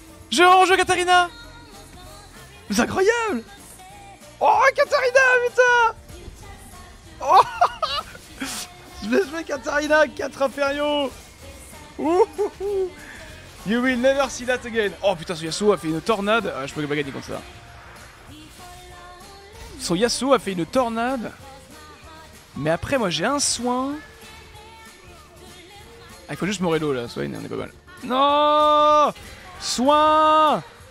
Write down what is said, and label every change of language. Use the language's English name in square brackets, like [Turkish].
[French] Je vais vraiment jouer Katarina! C'est incroyable! Oh, Katarina, putain! Oh! Je vais jouer Katarina, 4 impériaux! [English] You will never see that again. [French] Oh putain, son Yasuo a fait une tornade. Ah, je peux pas gagner contre ça. Son Yasuo a fait une tornade. Mais après, moi j'ai un soin. Ah, il faut juste Morello là, soin, on est pas mal. Non! Soin!